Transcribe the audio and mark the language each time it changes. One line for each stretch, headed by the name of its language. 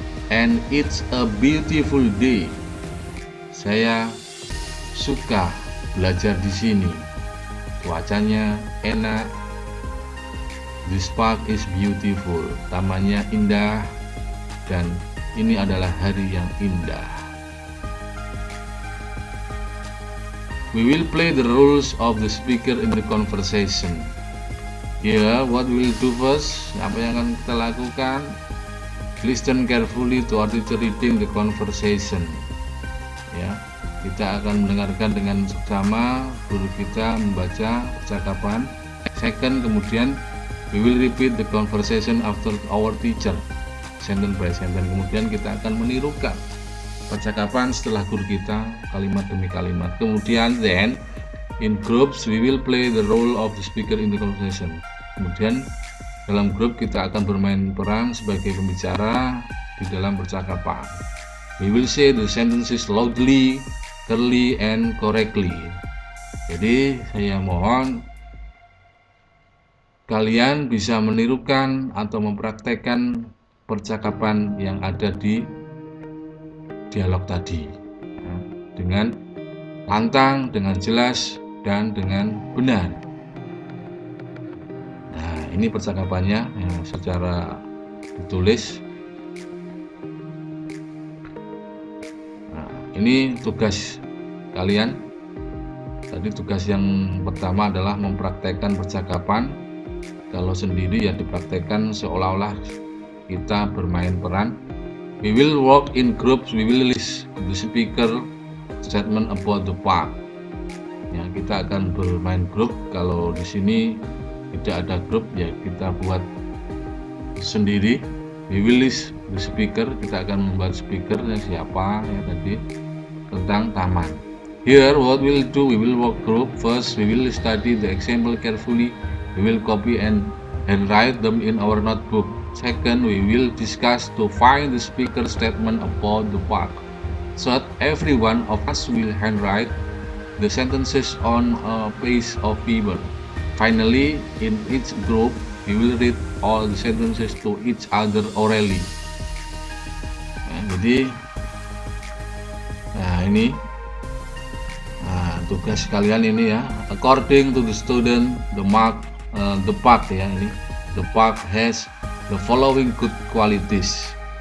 English: And it's a beautiful day.
Indonesian: Saya suka belajar di sini. Cuacanya enak.
English: This park is beautiful.
Indonesian: Tamannya indah. Dan ini adalah hari yang indah.
English: We will play the roles of the speaker in the conversation. Yeah, what we'll do first?
Indonesian: Apa yang akan kita lakukan?
English: Listen carefully to our teacher reading the conversation.
Indonesian: Ya, kita akan mendengarkan dengan seksama guru kita membaca percakapan.
English: Second, kemudian we will repeat the conversation after our teacher. Sentence by sentence.
Indonesian: Kemudian kita akan menirukan percakapan setelah guru kita kalimat demi kalimat.
English: Kemudian then in groups we will play the role of the speaker in the conversation.
Indonesian: Kemudian dalam grup kita akan bermain peran sebagai pembicara di dalam percakapan.
English: We will say the sentences loudly, clearly and correctly.
Indonesian: Jadi saya mohon kalian bisa menirukan atau mempraktekkan percakapan yang ada di dialog tadi dengan lantang, dengan jelas dan dengan benar. Nah, ini percakapannya yang secara ditulis. Nah, ini tugas kalian. Tadi tugas yang pertama adalah mempraktekkan percakapan. Kalau sendiri ya dipraktekkan seolah-olah kita bermain peran.
English: We will work in groups. We will listen to the speaker statement about the park.
Indonesian: Ya, kita akan bermain grup. Kalau di sini tidak ada grup, ya kita buat sendiri.
English: We will listen to the speaker.
Indonesian: Kita akan membuat speakernya siapa ya tadi tentang taman.
English: Here, what we'll do? We will work group first. We will study the example carefully. We will copy and write them in our notebook. Second, we will discuss to find the speaker statement about the park. So that every one of us will handwrite the sentences on a piece of paper. Finally, in each group, we will read all the sentences to each other orally.
Indonesian: Nah, jadi, nah ini, nah, tugas kalian ini ya.
English: According to the student, the park has the following good qualities.